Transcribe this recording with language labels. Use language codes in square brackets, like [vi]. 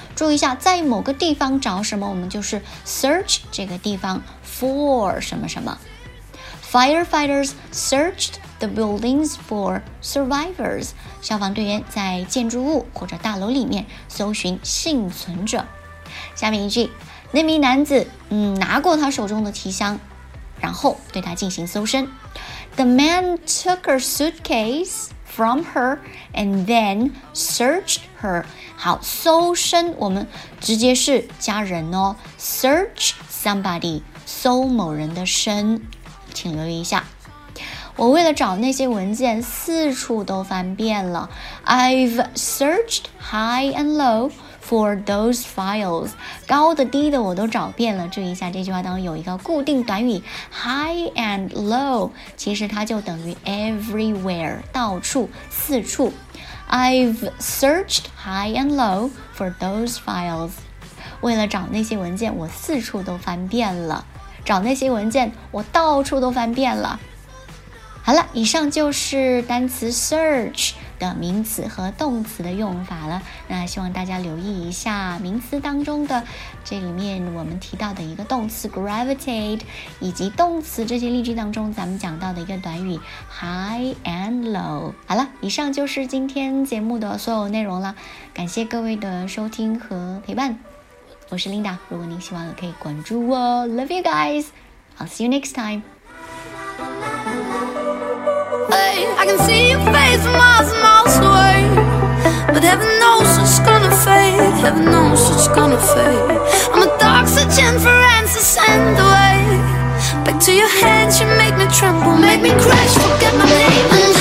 [zh] 注意一下，在某个地方找什么，我们就是 search 这个地方 for 什么什么。 [en] Firefighters searched the buildings for survivors. [zh] 消防队员在建筑物或者大楼里面搜寻幸存者。下面一句，那名男子拿过他手中的提箱，然后对他进行搜身。 [en] The man took her suitcase from her and then searched her. [zh] 好，搜身我们直接是加人哦， [en] search somebody， [zh] 搜某人的身。请留意一下，我为了找那些文件四处都翻遍了。 [en] I've searched high and low for those files. [zh] 高的低的我都找遍了。注意一下这句话当中有一个固定短语 [en] high and low， [zh] 其实它就等于 everywhere， 到处四处。 [en] I've searched high and low for those files. [zh] 为了找那些文件，我四处都翻遍了。找那些文件，我到处都翻遍了。好了，以上就是单词 search 的名词和动词的用法了。那希望大家留意一下名词当中的这里面我们提到的一个动词 gravitate， 以及动词这些例句当中咱们讲到的一个短语 [en] high and low。 [zh] 好了，以上就是今天节目的所有内容了，感谢各位的收听和陪伴，我是 Linda， 如果您喜欢可以关注我， [en] Love you guys， I'll see you next time。 Hey, I can see your face miles and miles away, but heaven knows it's gonna fade, heaven knows it's gonna fade. Searching for answers and the way back to your hands, you make me tremble, make me crash, forget my name.